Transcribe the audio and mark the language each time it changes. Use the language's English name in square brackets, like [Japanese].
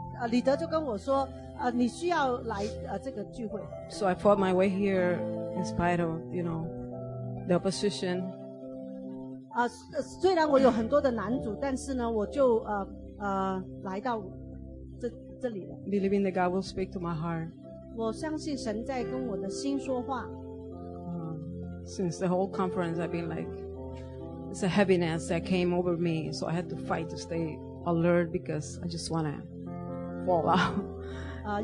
[Chinese] 李德就跟我说, 你需要来, 这个聚会。 [English] So I fought my way here in spite of, you know, the opposition. [Chinese] 虽然我有很多的难阻, 但是呢, 我就, 来到这里了。 [English] Believing that God will speak to my heart. [Chinese] 我相信神在跟我的心说话。 [English] Since the whole conference, I've been like, it's a heaviness that came over me, so I had to fight to stay alert because I just want to fall out.